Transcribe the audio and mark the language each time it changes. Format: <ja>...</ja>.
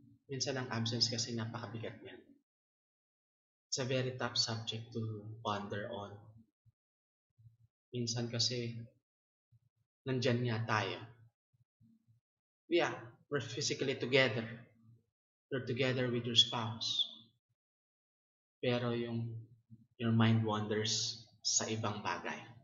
<tl>Minsan ang absence kasi napakabigat niyan.</tl> <en>It's a very tough subject to ponder on.</en> <tl>Minsan kasi nandyan niya tayo.</tl> <en>Yeah, we're physically together. You're together with your spouse.</en> <tl>Pero yung</tl> <en>your mind wanders</en> <tl>sa ibang bagay.</tl>